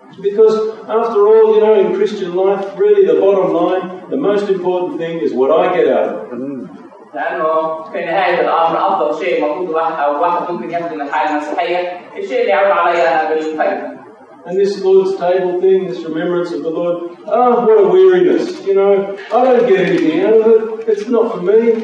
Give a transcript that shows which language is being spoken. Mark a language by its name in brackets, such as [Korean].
[English] Because after all, you know, in Christian life, really the bottom line, the most important thing is what I get out of it. [Arabic] لانه في نهاية الامر افضل شيء المفروض واحد ممكن ياخذ من الحياة المسيحية الشيء اللي يعود علي بالفايدة. [English] And this Lord's table thing, this remembrance of the Lord, oh, what a weariness, you know, I don't get anything out of it, it's not for me.